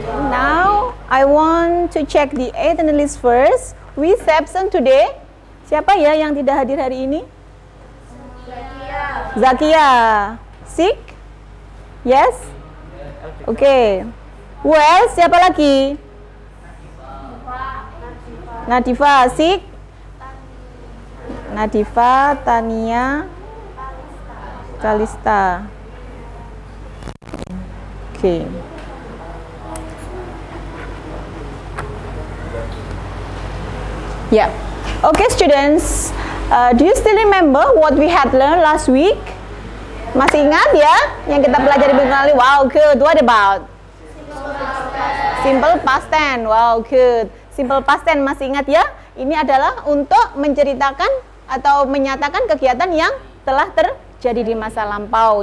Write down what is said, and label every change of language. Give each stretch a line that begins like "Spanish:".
English: Now I want to check the attendees first. We absent today.
Indonesian: Siapa ya yang tidak hadir hari ini? Zakia.
English: Sick? Yes? Oke. Okay. Who else?
Indonesian: Siapa lagi?
English: Nadifa. Nadifa, sik? Nadifa, Tania, Kalista. Oke. Okay. Ya. Yeah. Oke, okay, students. Do you still remember what we had learned last week?
Indonesian: Masih ingat ya yang kita pelajari minggu lalu?
English: Wow, good. What about? Simple past tense. Simple past tense. Wow, good. Simple past tense
Indonesian: masih ingat ya? Ini adalah untuk menceritakan atau menyatakan kegiatan yang telah terjadi di masa lampau.